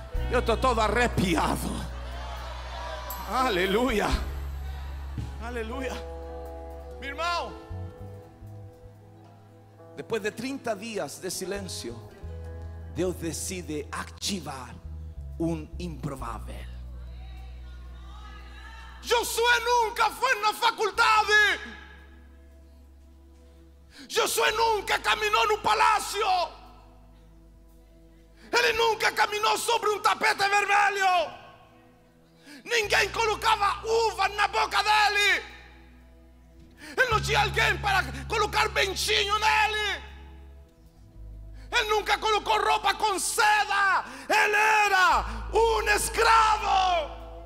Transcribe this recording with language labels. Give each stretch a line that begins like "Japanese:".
Portuguese: Eu estou todo arrepiado. Aleluia. Aleluia.
Spanish: Mi hermano, después de 30 días de silencio, Dios decide activar un improbable. Josué nunca fue en la facultad. Josué nunca caminó en un palacio. Él nunca caminó sobre un
Portuguese: tapete vermelho. Ninguém colocava uva na boca dele. Ele não tinha alguém para colocar benchinho nele. Ele nunca colocou roupa com seda. Ele era um escravo.